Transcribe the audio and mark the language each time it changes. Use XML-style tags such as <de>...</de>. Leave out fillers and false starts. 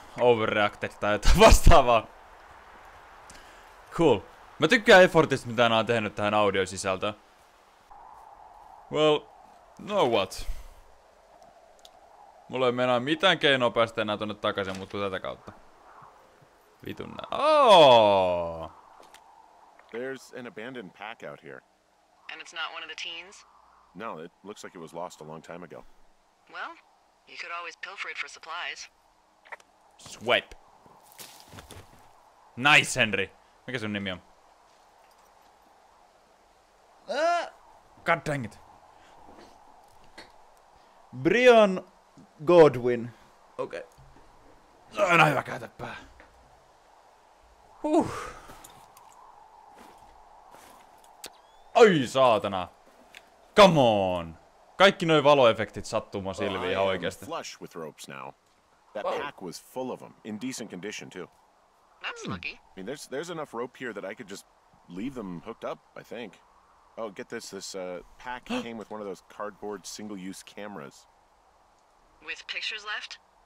<fi>Overreacted tai jotain vastaavaa. Cool. Mä tykkään effortista, mitä nää on tehnyt tähän audiosisältöön.</fi> <en>Well, know what?</en> <fi>Mulla ei mennä mitään keinoa päästä enää tonne takaisin, mutta tätä kautta. Vitun nää. Oh!</fi> <en>There's an abandoned pack out here. And it's not one of the teens? No, it looks like it was lost a long time ago. Well, you could always pilfer it for supplies. Swipe. Nice,</en> <fi>Henry. Mikä sun nimi on?</fi> <en>God dang it. Brian Godwin.</en> <fi>Okei. Okay. Aina hyvä käytäpää. Ai saatana.</fi> <en>Come on.</en> <fi>Kaikki noi valoefektit sattuu mun silmiin ihan oikeesti.</fi> <en>Flush with ropes now. That pack was full of them, in decent condition too. That's lucky. I mean, there's enough rope here that I could just leave them hooked up, I think. Oh, get this pack came with one of those cardboard single-use cameras. With pictures left?</en>